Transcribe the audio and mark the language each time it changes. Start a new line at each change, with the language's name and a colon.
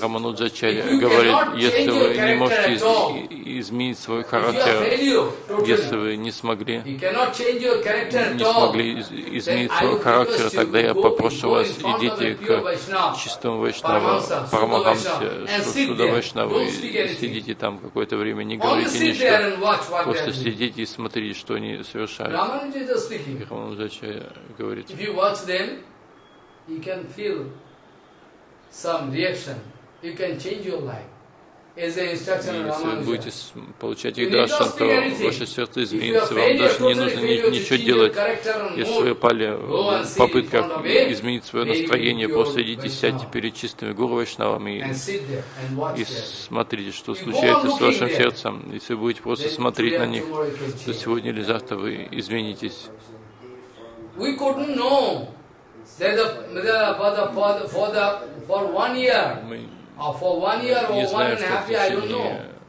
Russian: Рамануджачарья говорит, если вы не можете изменить свой характер, если вы не смогли изменить свой характер, тогда я попрошу вас, идите к чистому Вайшнаву, Парамахамсе, Суда Вайшнаву. Сидите там какое-то время, не говорите ничего, просто сидите и смотрите, что они совершают. Рамануджачарья говорит.
English: If you watch them, you can feel some reaction. You can change your life. As the instruction of
Russian: Рамануджа. Если вы будете получать их даршан, то ваше сердце изменится. Вам даже не нужно ничего делать. Если вы пали в попытках изменить свое настроение, просто идите, сядьте перед чистыми гуру вайшнавами и смотрите, что случается с вашим сердцем. Если вы будете просто смотреть на них, то сегодня или завтра вы изменитесь.
English: We couldn't know that for 1 year or for 1 year or 1 and a half year, I don't know.